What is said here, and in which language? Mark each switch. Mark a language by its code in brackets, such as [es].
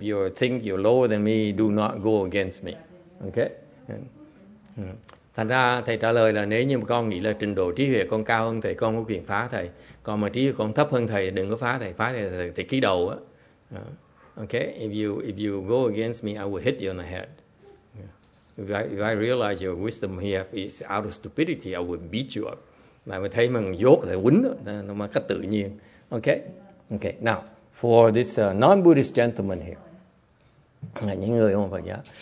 [en] If you think you're lower than me, do not go against me. Okay? [vi] Thành ra thầy trả lời là nếu như con nghĩ là trình độ trí huệ con cao hơn thầy, con có quyền phá thầy. Còn mà trí huệ con thấp hơn thầy, đừng có phá thầy ký đầu á. Okay? [en] If you go against me, I will hit you on the head. If I realize your wisdom here is out of stupidity, I will beat you up. [vi] Mà mình thấy mình dốt lại quýnh nó mà cách tự nhiên. Okay. [en] Now, for this non-Buddhist gentleman here. [vi] Là những người không Phật giáo.